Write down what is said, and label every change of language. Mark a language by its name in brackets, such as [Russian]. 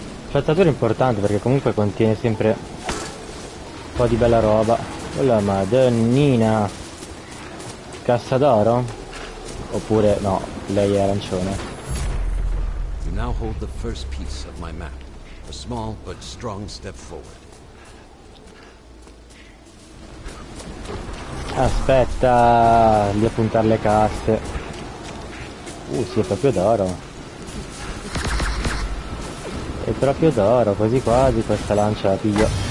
[Italian] Fattatura è importante perché comunque contiene sempre un po' di bella roba. Oh la madonnina! Cassa d'oro? Oppure no, lei è arancione. [English] Now hold the first piece of my map. A small but strong step forward. [Italian] Aspetta di appuntare le casse. Sì, è proprio d'oro. È proprio d'oro, quasi quasi questa lancia la piglio.